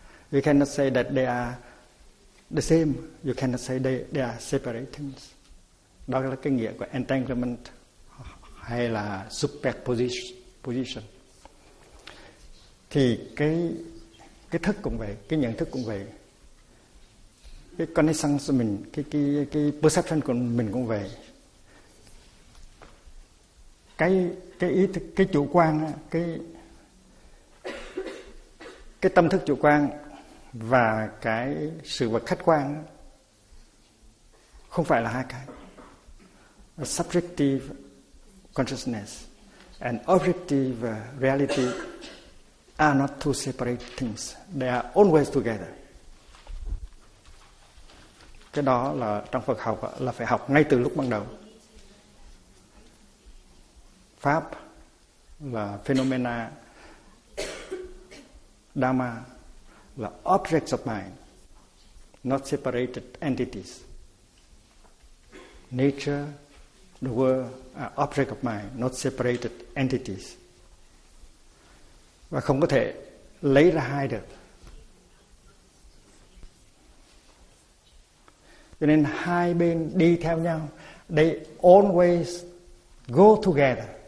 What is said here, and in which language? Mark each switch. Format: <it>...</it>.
<en>You cannot say that they are the same, you cannot say they are separate things.</en> <vi>Đó là cái nghĩa của entanglement hay là superposition. Thì cái thức cũng vậy, cái nhận thức cũng vậy, cái connection của mình, cái perception của mình cũng vậy. Cái ý thức, cái chủ quan, cái tâm thức chủ quan và cái sự vật khách quan không phải là hai cái.</vi> <en>A subjective consciousness and objective reality are not two separate things. They are always together.</en> <vi>Cái đó là trong Phật học là phải học ngay từ lúc ban đầu. Pháp là</vi> <en>phenomena, Dharma là objects of mind, not separated entities. Nature, the world are object of mind, not separated entities.</en> <vi>Và không có thể lấy ra hai được. Cho nên hai bên đi theo nhau,</vi> <en>they always go together.</en>